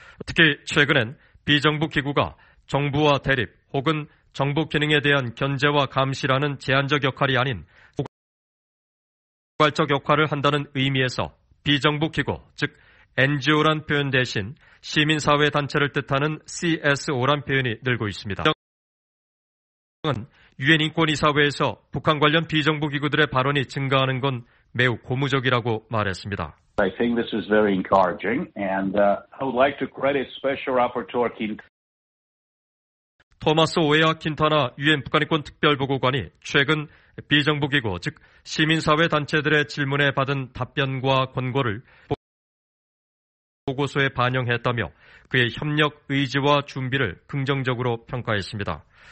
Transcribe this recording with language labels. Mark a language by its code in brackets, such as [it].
[ko] 특히 최근엔 비정부 기구가 정부와 대립 혹은 정부 기능에 대한 견제와 감시라는 제한적 역할이 아닌 포괄적 역할을 한다는 의미에서 비정부 기구, 즉 NGO란 표현 대신 시민사회 단체를 뜻하는 CSO란 표현이 늘고 있습니다. 유엔 인권이사회에서 북한 관련 비정부 기구들의 발언이 증가하는 건 매우 고무적이라고 말했습니다. [en] I think this is very encouraging and I would like to credit Special Rapporteur [ko] Thomas Oya Quintana 유엔 북한인권 특별보고관이 최근 비정부기구 즉 시민사회 단체들의 질문에 받은 답변과 권고를 보고서에 반영했다며 그의 협력 의지와 준비를 긍정적으로 평가했습니다.